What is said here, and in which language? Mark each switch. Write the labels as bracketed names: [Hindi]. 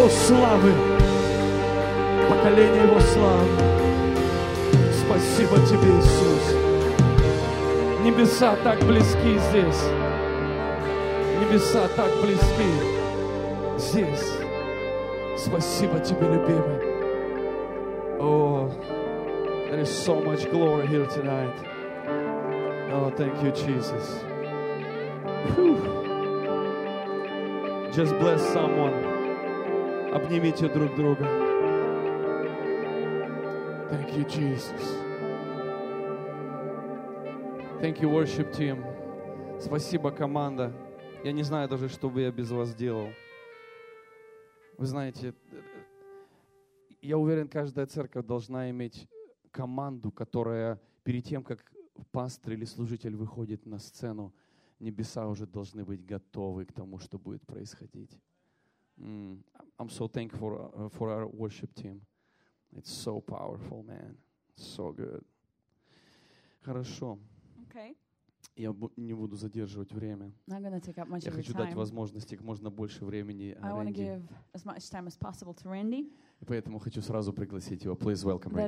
[Russian] Славы, поколение Его славы. Спасибо Тебе, Иисус. Небеса так близки здесь. Небеса так близки здесь. Спасибо Тебе, любимый. [English] Oh, there is so much glory here tonight. Oh, thank you, Jesus. Whew. Just bless someone. [Russian] Обнимите друг друга. [English] Thank you, Jesus. Thank you, worship team. [Russian] Спасибо, команда. Я не знаю даже, что бы я без вас делал. Вы знаете, я уверен, каждая церковь должна иметь команду, которая перед тем, как пастор или служитель выходит на сцену, небеса уже должны быть готовы к тому, что будет происходить. [English] I'm so thankful for our worship team. It's so powerful, man. So good. [Russian] Хорошо. [English] Okay. [Russian] Я не буду задерживать время. [English] I'm going to take up much of your time. [Russian] Я хочу дать возможности как можно больше времени Рэнди. [English] I want to give as much time as possible to Randy. [Russian] Поэтому хочу сразу пригласить его. [English] Please welcome Randy.